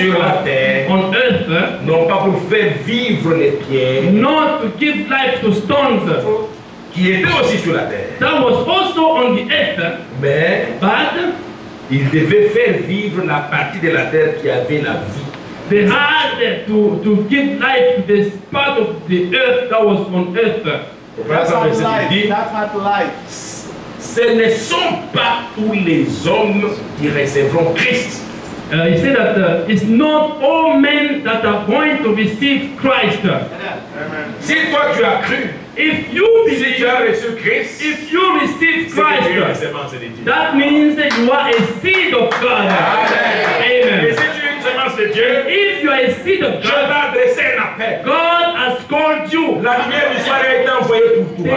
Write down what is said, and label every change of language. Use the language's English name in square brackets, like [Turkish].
[French] Sur la terre. [English] On earth. [French] Non pas pour faire vivre les pierres. [English] Not to give life to stones. [French] Qui était aussi sur la terre. [English] That was also on the earth. [French] Mais. [English] But. [French] Il devait faire vivre la partie de la terre qui avait la vie. [English] They had to give life to this part of the earth that was on earth. That's not life. [French] Ce ne sont pas tous les hommes qui recevront Christ. [English] He said that it's not all men that are going to receive Christ. [French] Amen. Si toi tu as cru. [English] If you [French] believe, si tu as reçu Christ, [English] if you receive Christ, that means that you are a seed of God. Amen. Amen. [French] Et si tu es une semence de Dieu, [English] if you are a seed of God, [French] je t'adresse un appel. [English] God has called you. [French] La lumière du soir a été envoyée pour toi.